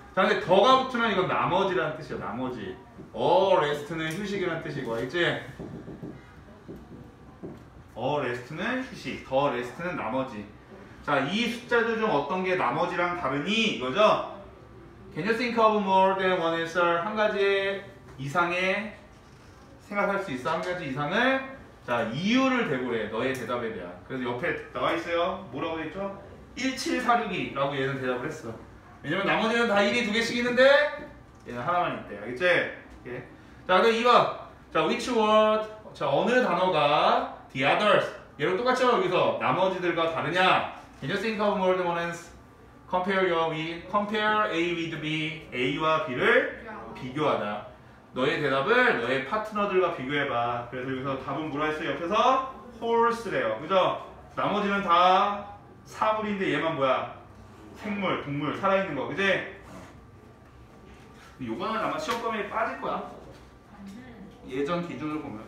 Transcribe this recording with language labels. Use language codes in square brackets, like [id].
[ko] 자, 근데 더가 붙으면 이건 나머지라는 뜻이야, 나머지. [en] a rest [ko] 는 휴식이라는 뜻이고, 알겠지? [en] a rest [ko] 는 휴식, [en] the rest [ko] 는 나머지. 자, 이 숫자들 중 어떤 게 나머지랑 다르니? 이거죠? [en] Can you think of more than one answer? [ko] 한 가지 이상의 생각할 수 있어? 한 가지 이상을? 자, 이유를 대고래. 너의 대답에 대한. 그래서 옆에 나와 있어요. 뭐라고 했죠? 1746이라고 얘는 대답을 했어. 왜냐면 나머지는 다 1이 두 개씩 있는데 얘는 하나만 있대. 알겠지? 오케이. 자, 그럼 2번. 자, [en] which word? [ko] 자, 어느 단어가 [en] the others? [ko] 얘랑 똑같죠? 여기서 나머지들과 다르냐? [en] Can you think of more than one answer? Compare your with, compare A with B. [ko] A와 B를 비교하다. 너의 대답을 너의 파트너들과 비교해봐. 그래서 여기서 답은 뭐라 했어요? 옆에서 horse래요. 그죠? 나머지는 다 사물인데 얘만 뭐야? 생물, 동물, 살아있는 거. 그지? 요거는 아마 시험 범위에 빠질 거야. 예전 기준으로 보면.